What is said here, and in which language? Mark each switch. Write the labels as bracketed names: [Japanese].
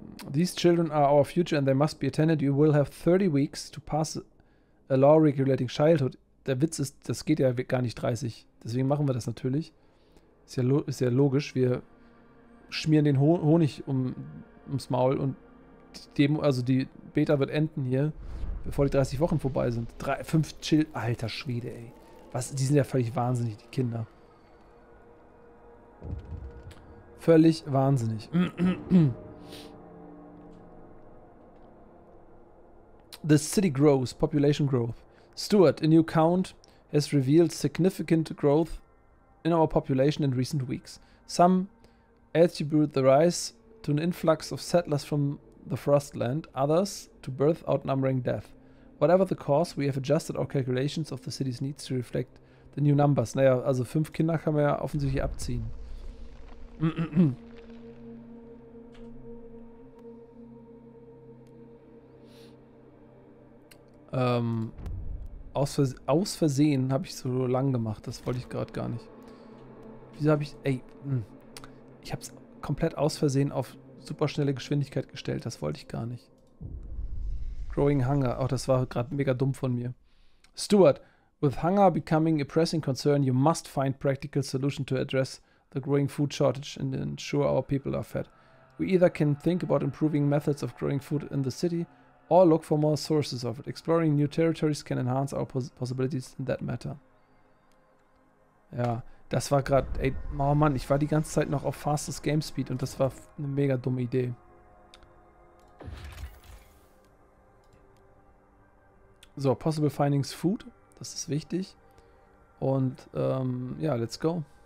[English] These children are our future and they must be attended. You will have 30 weeks to pass a law regulating childhood. [German] Der Witz ist, das geht ja gar nicht 30. Deswegen machen wir das natürlich. Ist ja logisch. Wir schmieren den Honig ums Maul und die Beta wird enden hier, bevor die 30 Wochen vorbei sind. 5 Chill. Alter Schwede, ey. Was? Die sind ja völlig wahnsinnig, die Kinder. Völlig wahnsinnig. [English] The city grows. Population growth. Stuart, a new count has revealed significant growth in our population in recent weeks. Some attribute the rise to an influx of settlers from the Frostland, others to birth outnumbering death. Whatever the cause, we have adjusted our calculations of the city's needs to reflect the new numbers. [German] Naja, also 5 Kinder kann man ja offensichtlich abziehen. Aus Versehen habe ich so lang gemacht. Das wollte ich gerade gar nicht. Wieso habe ich... Ey, ich habe es komplett aus Versehen auf superschnelle Geschwindigkeit gestellt. Das wollte ich gar nicht. [English] Growing hunger. [German] Oh, das war gerade mega dumm von mir. [English] Stuart, with hunger becoming a pressing concern, you must find practical solution to address the growing food shortage and ensure our people are fed. We either can think about improving methods of growing food in the city... Or look for more sources of it. Exploring new territories can enhance our possibilities in that matter. [German] Ja, das war gerade. Ey, oh Mann, ich war die ganze Zeit noch auf [English] fastest Game Speed [German] und das war eine mega dumme Idee. So, [English] possible findings food. [German] Das ist wichtig. Und ja, [English] let's go.